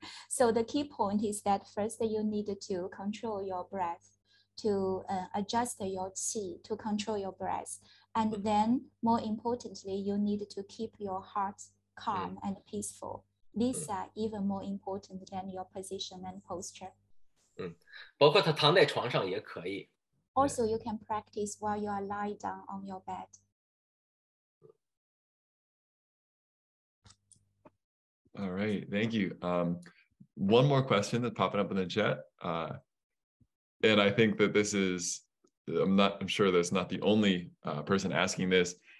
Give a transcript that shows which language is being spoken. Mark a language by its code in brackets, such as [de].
[en] So the key point is that first you need to control your breath, to adjust your qi, to control your breath. And then more importantly, you need to keep your heart calm and peaceful. These are even more important than your position and posture. [zh] 包括他躺在床上也可以。 [en] Also, you can practice while you are lying down on your bed. All right, thank you. One more question that's popping up in the chat. And I think that this is, I'm sure that's not the only person asking this.